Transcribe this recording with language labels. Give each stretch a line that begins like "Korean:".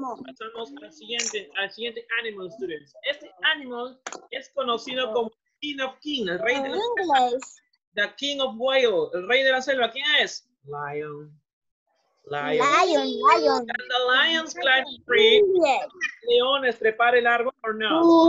Spanish: Pasamos al siguiente animal, students. Este animal es conocido como
English: King of Kings,
Spanish: el rey de la selva.
English: The King of Wales,
Spanish: el rey de la selva. ¿Quién es? Lion.
English: Lion. Can the lions climb tree? Yes.
Spanish: Leones trepar el árbol
English: or no?